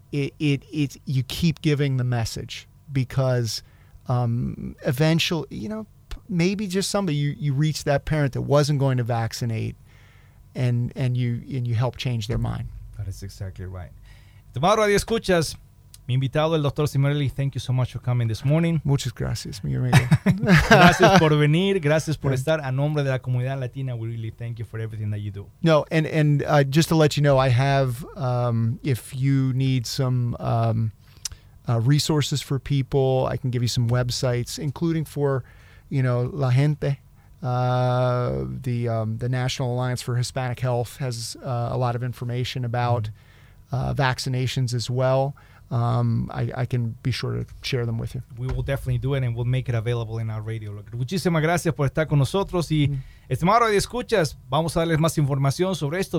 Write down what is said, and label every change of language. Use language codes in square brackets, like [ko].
[en] It's you keep giving the message, because eventually, you know, maybe just somebody, you reach that parent that wasn't going to vaccinate and you help change their mind. That is exactly right. [es] Tomado Radio Escuchas, mi invitado, el Dr. [en] Cimarelli, thank you so much for coming this morning. [es] Muchas gracias, mi amigo. Gracias por venir, gracias por estar. A nombre de la comunidad latina, [en] we really thank you for everything that you do. No, and just to let you know, I have, if you need some resources for people, I can give you some websites, including for, you know, La Gente. The National Alliance for Hispanic Health has a lot of information about vaccinations as well. I can be sure to share them with you. We will definitely do it, and we'll make it available in our radio. [es] Muchísimas gracias por estar con nosotros. Y estimado radio escuchas, vamos a darles más información sobre esto.